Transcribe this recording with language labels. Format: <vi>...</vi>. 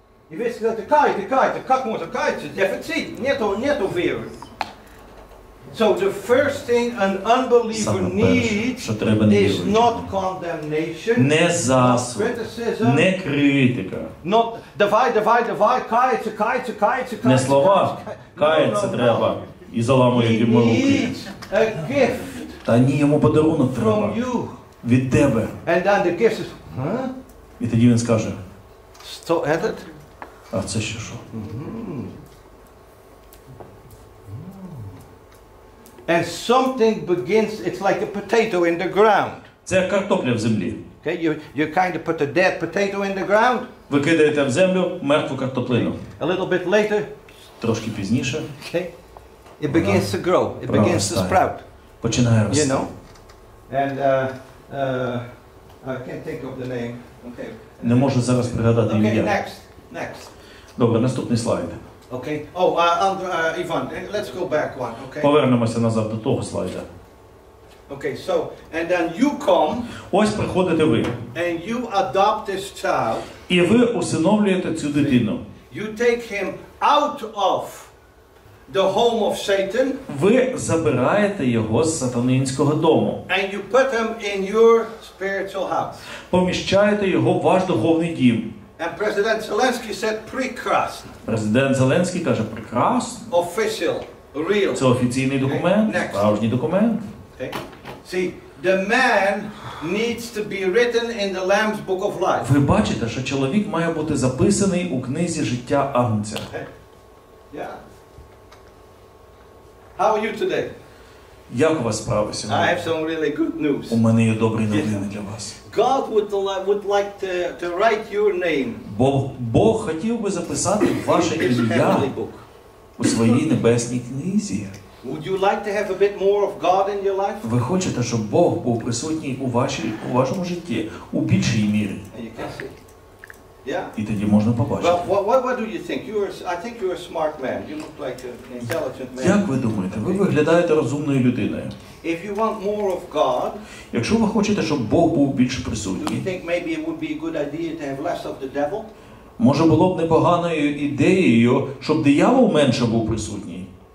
<uk>І ви сказали, кайте, як можна кайте? Дефіцит. Нету віри.</uk> <en>So the first thing an unbeliever needs is not condemnation,</en> <uk>не засуд,</uk> <en>criticism,</en> <uk>не критика.</uk> <en>Not</en> <uk>давай, кайце. Не слова, кайце треба. І заламує йому руки.</uk> <en>He needs a gift.</en> <uk>Та ні, йому подарунок треба.</uk> <en>From you.</en> <uk>Від тебе.</uk> <en>And then the gift is,</en> <uk>і тоді він скаже. Що этот? А це ще що?</uk> <en>And something begins, it's like a potato in the ground.</en> <uk>Це картопля в землі.</uk> <en>Okay, you kind of put a dead potato in the ground.</en> <uk>Ви кидаєте в землю мертву картоплину.</uk> <en>A little bit later.</en> <uk>Трошки пізніше.</uk> <en>Okay. It begins to grow. It begins to sprout.</en> <uk>Починає рости.</uk> <en>You know? And I can't think of the name. Okay.</en> <uk>Не можу зараз пригадати ім'я.</uk> <en>Okay, next.</en> <uk>Добре, наступний слайд.</uk> <en>Okay. Oh, Ivan, let's go back one, okay?</en> <uk>Повернемося назад до того слайда.</uk> <en>Okay, so and then you come.</en> <uk>Ось приходите ви.</uk> <en>And you adopt this child.</en> <uk>І ви усиновлюєте цю дитину.</uk> <en>You take him out of the home of Satan.</en> <uk>Ви забираєте його з сатанинського дому.</uk> <en>And you put him in your spiritual house.</en> <uk>Поміщаєте його в ваш духовний дім.</uk> <en>And President Zelensky said</en> <uk>прекрасно. Президент Зеленський каже прекрасно.</uk> <en>Official, real.</en> <uk>Це офіційний документ, справжній документ.</uk> <en>Okay. See, the man needs to be written in the Lamb's Book of Life.</en> <uk>Ви бачите, що чоловік має бути записаний у книзі життя Агнця.</uk> <en>Okay. Yeah. How are you today?</en> <uk>Як у вас справи сьогодні?</uk> <en>I have some really good news.</en> <uk>У мене є добрі новини для вас.</uk> <en>God would like to write your name.</en> <uk>Бог хотів би записати ваше ім'я у своїй небесній книзі.</uk> <en>Would you like to have a bit more of God in your life?</en> <uk>Ви хочете, щоб Бог був присутній у вашому житті у більшій мірі?</uk> <en>Yeah.</en> <uk>І тоді можна побачити.</uk> <en>Well, what do you think? I think you're a smart man. You look like an intelligent man.</en> <uk>Як ви думаєте? Ви виглядаєте розумною людиною.</uk> <en>If you want more of God,</en> <uk>якщо ви хочете, щоб Бог був більш присутній,</uk> <en>do you think maybe it would be a good idea to have less of the devil?</en> <uk>Може було б непоганою ідеєю, щоб диявол менше був присутній?</uk>